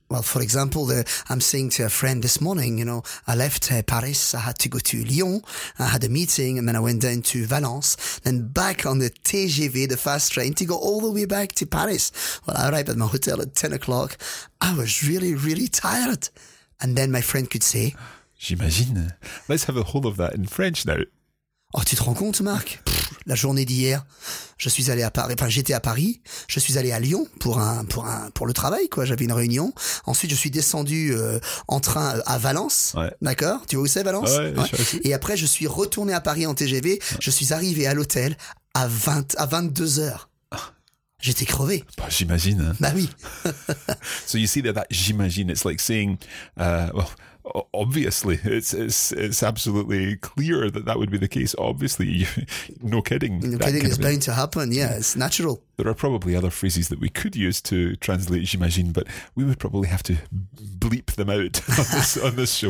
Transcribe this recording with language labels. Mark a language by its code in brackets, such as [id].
[en] Well, for example, I'm saying to a friend this morning, you know, I left Paris, I had to go to Lyon, I had a meeting, and then I went down to Valence, then back on the TGV, the fast train, to go all the way back to Paris. Well, I arrived at my hotel at 10 o'clock. I was really, really tired. And then my friend could say, [fr] j'imagine. [en] Let's have a whole of that in French now. [fr] Oh, tu te rends compte, Marc? La journée d'hier, je suis allé à Paris. Enfin, j'étais à Paris. Je suis allé à Lyon pour le travail, quoi. J'avais une réunion. Ensuite, je suis descendu en train à Valence. Ouais. D'accord. Tu vois où c'est, Valence? Ouais, ouais. Et après, je suis retourné à Paris en TGV. Ouais. Je suis arrivé à l'hôtel à 22 heures. J'étais crevé. Bah, j'imagine. Bah oui. [en] So you see that j'imagine, it's like saying, well, Obviously, it's absolutely clear that that would be the case. Obviously, no kidding. No kidding, it's bound to happen. Yeah, it's natural. There are probably other phrases that we could use to translate, j'imagine, but we would probably have to bleep them out on this show.